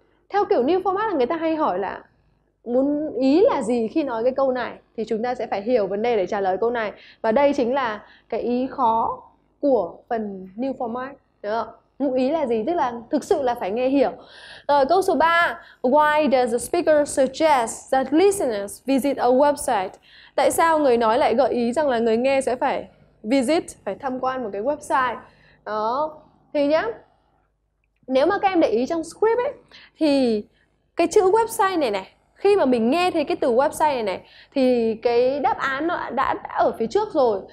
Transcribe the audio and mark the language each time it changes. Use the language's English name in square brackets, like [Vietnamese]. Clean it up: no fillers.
[Vietnamese] Theo kiểu New Format là người ta hay hỏi là muốn ý là gì khi nói cái câu này, thì chúng ta sẽ phải hiểu vấn đề để trả lời câu này. Và đây chính là cái ý khó của phần New Format. Được không? Ngụ ý là gì? Tức là thực sự là phải nghe hiểu. Rồi, câu số 3. [English] Why does the speaker suggest that listeners visit a website? [Vietnamese] Tại sao người nói lại gợi ý rằng là người nghe sẽ phải visit, phải tham quan một cái website? Đó. Thì nhá, nếu mà các em để ý trong script ấy, thì cái chữ website này này, khi mà mình nghe thấy cái từ website này này, thì cái đáp án nó đã ở phía trước rồi.